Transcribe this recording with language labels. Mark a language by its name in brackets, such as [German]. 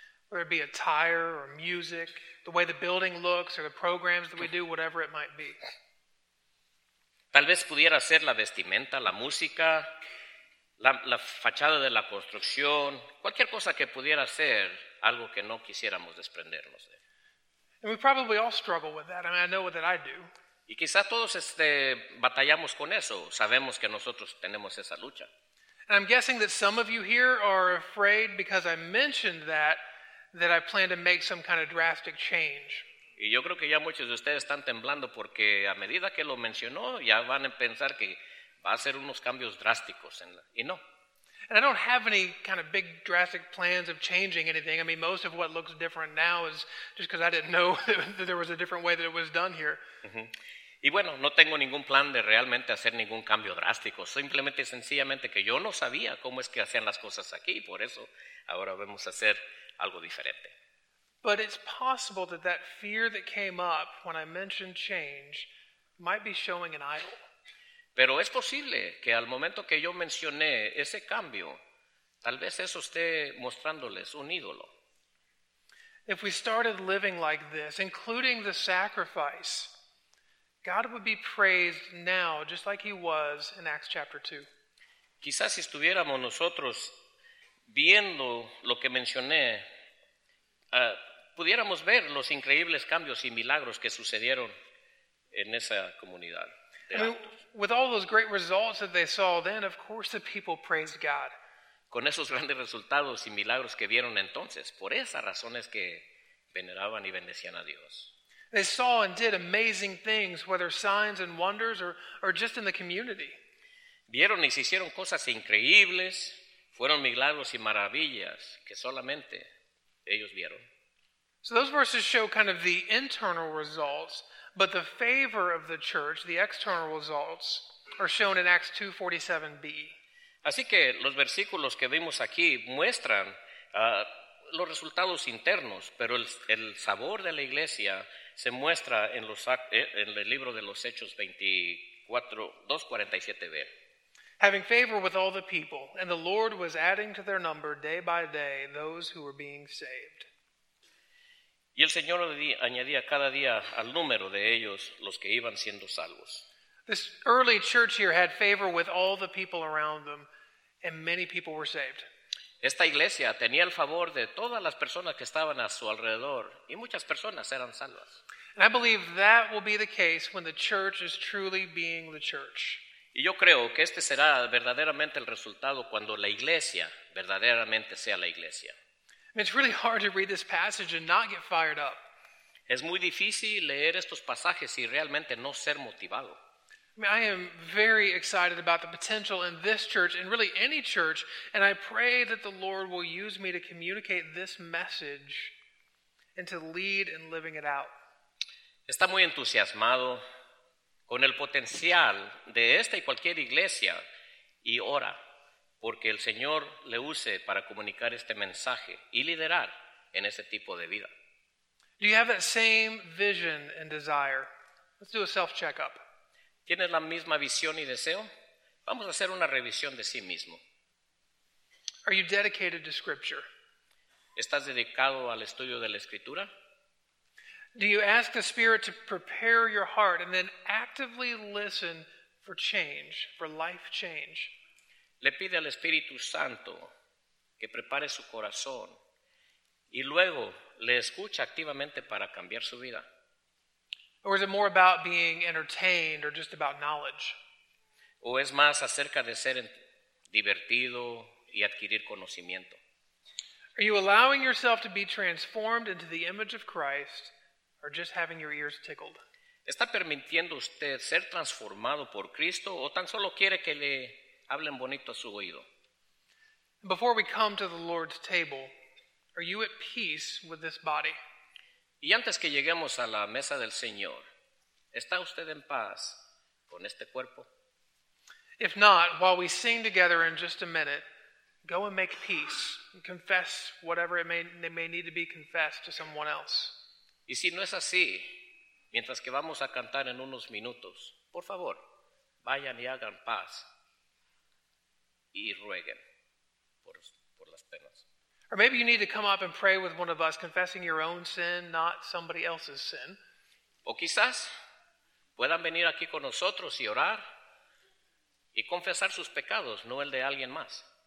[English] Whether it be attire or music, the way the building looks or the programs that we do, whatever it might be. [Spanish] Tal vez pudiera ser la vestimenta, la música, la fachada de la construcción, cualquier cosa que pudiera ser algo que no quisiéramos desprendernos de. [English] And we probably all struggle with that. I mean, I know that I do. [Spanish] Y quizá todos batallamos con eso. Sabemos que nosotros tenemos esa lucha. [English] And I'm guessing that some of you here are afraid because I mentioned that I plan to make some kind of drastic change. [Spanish] Y yo creo que ya muchos de ustedes están temblando porque a medida que lo mencionó, ya van a pensar que va a ser unos cambios drásticos. Y no. [English] And I don't have any kind of big drastic plans of changing anything. I mean, most of what looks different now is just because I didn't know that there was a different way that it was done here. Uh-huh. [Spanish] Y bueno, no tengo ningún plan de realmente hacer ningún cambio drástico. Simplemente, sencillamente, que yo no sabía cómo es que hacían las cosas aquí. Por eso, ahora vamos a hacer algo diferente. [English] But it's possible that fear that came up when I mentioned change might be showing an idol. [Spanish] Pero es posible que al momento que yo mencioné ese cambio, tal vez eso esté mostrándoles un ídolo. [English] If we started living like this, including the sacrifice, God would be praised now, just like he was in Acts chapter 2. [Spanish] Quizás si estuviéramos nosotros viendo lo que mencioné, pudiéramos ver los increíbles cambios y milagros que sucedieron en esa comunidad. [English] With all those great results that they saw, then of course the people praised God. [Spanish] Con esos grandes resultados y milagros que vieron entonces, por esas razones que veneraban y bendecían a Dios. [English] They saw and did amazing things, whether signs and wonders or just in the community. [Spanish] Vieron y se hicieron cosas increíbles, fueron milagros y maravillas que solamente ellos vieron. [English] So those verses show kind of the internal results. But the favor of the church, the external results, are shown in Acts 2:47b. [Spanish] Así que los versículos que vimos aquí muestran los resultados internos, pero el sabor de la iglesia se muestra en los en el libro de los Hechos 2:47b. [English] Having favor with all the people, and the Lord was adding to their number day by day those who were being saved. [Spanish] Y el Señor añadía cada día al número de ellos los que iban siendo salvos. [English] This early church here had favor with all the people around them, and many people were saved. [Spanish] Esta iglesia tenía el favor de todas las personas que estaban a su alrededor, y muchas personas eran salvas. [English] And I believe that will be the case when the church is truly being the church. [Spanish] Y yo creo que este será verdaderamente el resultado cuando la iglesia verdaderamente sea la iglesia. [English] It's really hard to read this passage and not get fired up. [Spanish] Es muy difícil leer estos pasajes y realmente no ser motivado. [English] I mean, I am very excited about the potential in this church and really any church, and I pray that the Lord will use me to communicate this message and to lead in living it out. [Spanish] Está muy entusiasmado con el potencial de esta y cualquier iglesia y ora. Porque el Señor le use para comunicar este mensaje y liderar en ese tipo de vida. [English] Do you have that same vision and desire? Let's do a self-checkup. [Spanish] ¿Tienes la misma visión y deseo? Vamos a hacer una revisión de sí mismo. [English] Are you dedicated to Scripture? [Spanish] ¿Estás dedicado al estudio de la Escritura? [English] Do you ask the Spirit to prepare your heart and then actively listen for change, for life change? [Spanish] Le pide al Espíritu Santo que prepare su corazón y luego le escucha activamente para cambiar su vida. [English] Or is it more about being entertained or just about knowledge? [Spanish] ¿O es más acerca de ser divertido y adquirir conocimiento? [English] Are you allowing yourself to be transformed into the image of Christ or just having your ears tickled? [Spanish] ¿Está permitiendo usted ser transformado por Cristo o tan solo quiere que le hablen bonito a su oído? [English] Before we come to the Lord's table, are you at peace with this body? [Spanish] Y antes que lleguemos a la mesa del Señor, ¿está usted en paz con este cuerpo? [English] If not, while we sing together in just a minute, go and make peace and confess whatever it may need to be confessed to someone else. [Spanish] Y si no es así, mientras que vamos a cantar en unos minutos, por favor, vayan y hagan paz y rueguen por las penas. [English] Or maybe you need to come up and pray with one of us, confessing your own sin, not somebody else's sin. [Spanish] O quizás puedan venir aquí con nosotros y orar y confesar sus pecados, no el de alguien más.